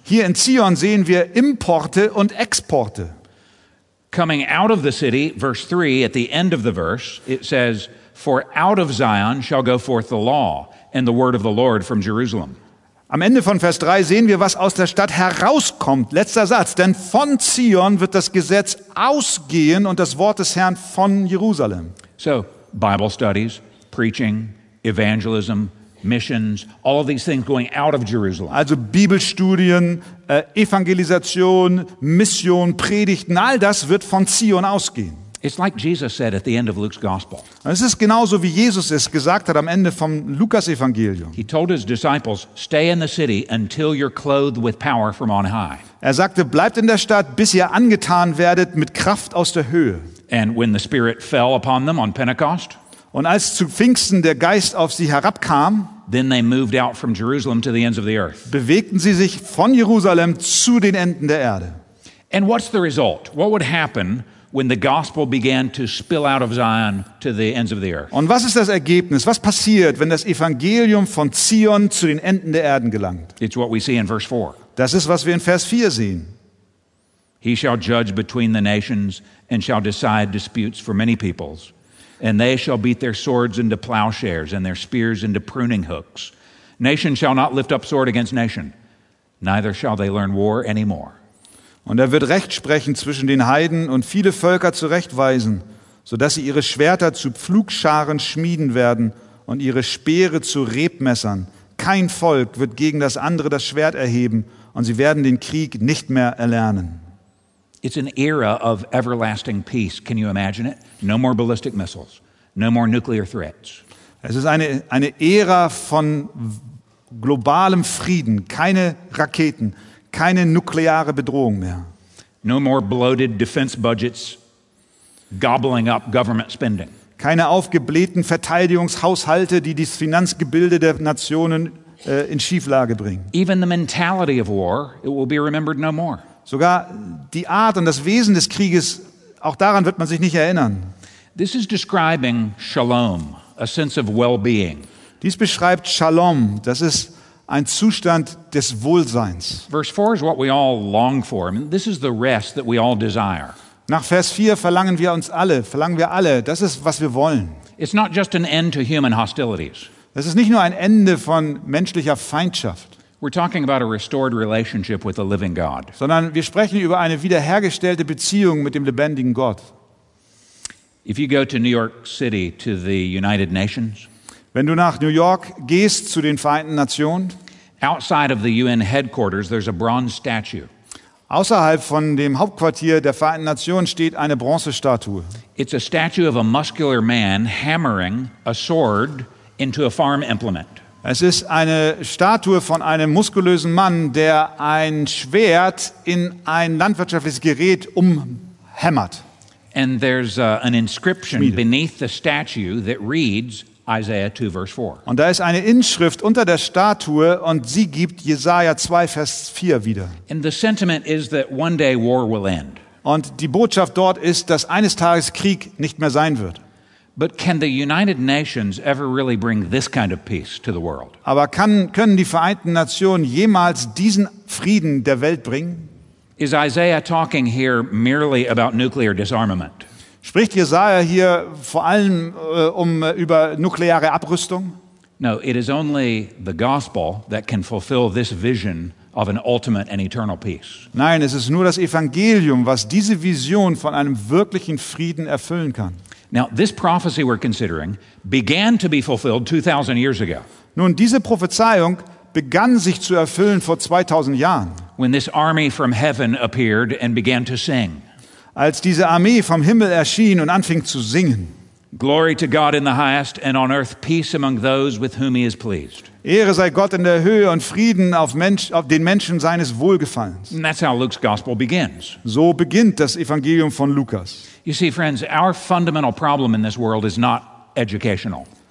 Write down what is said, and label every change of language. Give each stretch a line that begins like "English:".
German: Hier in Zion sehen wir Importe und Exporte.
English: Coming out of the city, verse 3, at the end of the verse, it says, for out of Zion shall go forth the law and the word of the Lord from Jerusalem.
German: Am Ende von Vers 3 sehen wir, was aus der Stadt herauskommt. Letzter Satz. Denn von Zion wird das Gesetz ausgehen und das Wort des Herrn von Jerusalem.
English: So, Bible studies, preaching, evangelism, missions, all of these things going out of Jerusalem.
German: Also Bibelstudien, Evangelisation, Mission, Predigten, all das wird von Zion ausgehen.
English: It's like Jesus said at the end of Luke's gospel.
German: Es ist genauso wie Jesus es gesagt hat am Ende vom Lukas Evangelium.
English: He told his disciples, "Stay in the city until you're clothed with power from on high."
German: Er sagte, bleibt in der Stadt, bis ihr angetan werdet mit Kraft aus der Höhe.
English: And when the Spirit fell upon them on Pentecost,
German: und als zu Pfingsten der Geist auf sie herabkam,
English: then they moved out from Jerusalem to the ends of the earth.
German: Bewegten sie sich von Jerusalem zu den Enden der Erde.
English: And what's the result? What would happen when the gospel began to spill out of Zion to the ends of the earth?
German: Und was ist das Ergebnis? Was passiert, wenn das Evangelium von Zion zu den Enden der Erden gelangt?
English: It's what we see in verse 4.
German: Das ist, was wir in Vers 4 sehen.
English: He shall judge between the nations and shall decide disputes for many peoples. And they shall beat their swords into plowshares and their spears into pruning hooks. Nation shall not lift up sword against nation, neither shall they learn war any more.
German: Und er wird Recht sprechen zwischen den Heiden und viele Völker zurechtweisen, sodass sie ihre Schwerter zu Pflugscharen schmieden werden und ihre Speere zu Rebmessern. Kein Volk wird gegen das andere das Schwert erheben und sie werden den Krieg nicht mehr erlernen.
English: It's an era of everlasting peace. Can you imagine it? No more ballistic missiles. No more nuclear threats.
German: Es ist eine Ära von globalem Frieden. Keine Raketen. Keine nukleare Bedrohung mehr.
English: No more bloated defense budgets gobbling up government spending.
German: Keine aufgeblähten Verteidigungshaushalte, die das Finanzgebilde der Nationen in Schieflage bringen.
English: Even the mentality of war, it will be remembered no more.
German: Sogar die Art und das Wesen des Krieges, auch daran wird man sich nicht erinnern.
English: This is describing shalom, a sense of well-being.
German: Dies beschreibt Shalom, das ist ein Zustand des Wohlseins.
English: Verse 4 is what we all long for. I mean, this is the rest that we all desire.
German: Nach Vers 4 verlangen wir alle, das ist, was wir wollen.
English: It's not just an end to human hostilities.
German: Das ist nicht nur ein Ende von menschlicher Feindschaft.
English: We're talking about a restored relationship with the living God.
German: Sondern wir sprechen über eine wiederhergestellte Beziehung mit dem lebendigen Gott.
English: If you go to New York City to the United Nations,
German: wenn du nach New York gehst zu den Vereinten Nationen,
English: outside of the UN headquarters there's a bronze statue.
German: Außerhalb von dem Hauptquartier der Vereinten Nationen steht eine Bronzestatue.
English: It's a statue of a muscular man hammering a sword into a farm implement.
German: Es ist eine Statue von einem muskulösen Mann, der ein Schwert in ein landwirtschaftliches Gerät umhämmert.
English: And there's an inscription beneath the statue that reads Isaiah 2 verse 4.
German: Und da ist eine Inschrift unter der Statue und sie gibt Jesaja 2 Vers 4 wieder.
English: And the sentiment is that one day war will end.
German: Und die Botschaft dort ist, dass eines Tages Krieg nicht mehr sein wird.
English: But can the United Nations ever really bring this kind of peace to the world?
German: Aber können die Vereinten Nationen jemals diesen Frieden der Welt bringen?
English: Is Isaiah talking here merely about nuclear disarmament?
German: Spricht Jesaja hier vor allem über nukleare Abrüstung?
English: No, it is only the gospel that can fulfill this vision of an ultimate and eternal peace.
German: Nein, es ist nur das Evangelium, was diese Vision von einem wirklichen Frieden erfüllen kann.
English: Now, this prophecy we're considering began to be fulfilled 2000 years ago.
German: Nun, diese Prophezeiung begann sich zu erfüllen vor 2000 Jahren.
English: When this army from heaven appeared and began to sing.
German: Als diese Armee vom Himmel erschien und anfing zu singen.
English: Glory to God in the highest and on earth peace among those with whom he is pleased.
German: Ehre sei Gott in der Höhe und Frieden auf den Menschen seines Wohlgefallens.
English: And that's how Luke's gospel begins.
German: So beginnt das Evangelium von Lukas.
English: You see, friends, our fundamental problem in this world is not educational.